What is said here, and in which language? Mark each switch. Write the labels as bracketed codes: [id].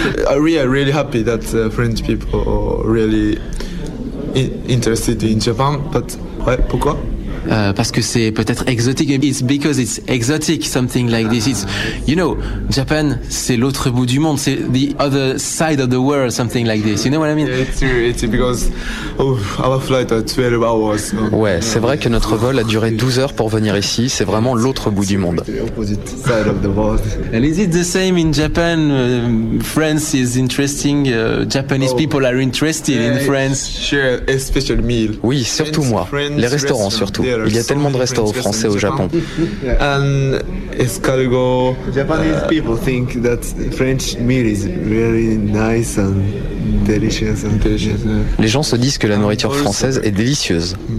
[en] I'm really happy that French people are really interested in Japan, but [fr] ouais, pourquoi? Parce que c'est peut-être exotique. [en] It's because it's exotic, something like this. It's, you know, [fr] Japan, c'est l'autre bout du monde. [en] C'est the other side of the world, something like this. You know what I mean? Yeah, it's true. It's because our flight is 12 hours. So. [fr] Ouais, c'est vrai que notre vol a duré 12 heures pour venir ici. C'est vraiment l'autre bout du monde. [en] The opposite side of the world. And is it the same in Japan? France is interesting. Japanese people are interested in France. Sure, especially me. [fr] Oui, surtout moi. Les restaurants, surtout. Il y a tellement de restaurants français au Japon. [en] And escargot. Japanese people think that French meat is really nice and delicious. [fr] Les gens se disent que la nourriture française est délicieuse.